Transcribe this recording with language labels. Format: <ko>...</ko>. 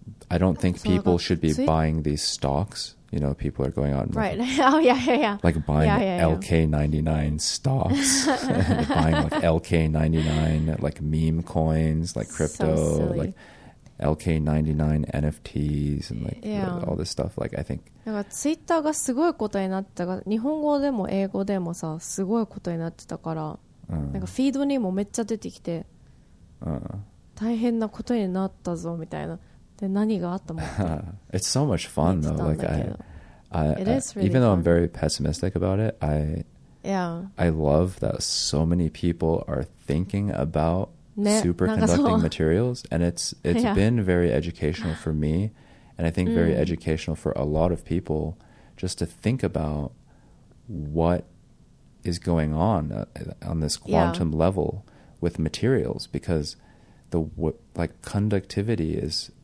<en>I don't think people should be buying these stocks. You know, people are going out and like buying LK99 stocks, buying like LK99, like meme coins, like crypto, so like LK99 NFTs, and like all this stuff. Like, I think</en> <ja>Twitter がすごいことになってたから、日本語でも英語でもさ、すごいことになってたから、なんかフィードにもめっちゃ出てきて、大変なことになったぞみたいな。</ja> <en>It's so much fun though. Like even though I'm very pessimistic about it, I love that so many people are thinking about superconducting materials, and it's been very educational for me, and I think very educational for a lot of people, just to think about what is going on this quantum level with materials, because the conductivity is.</en>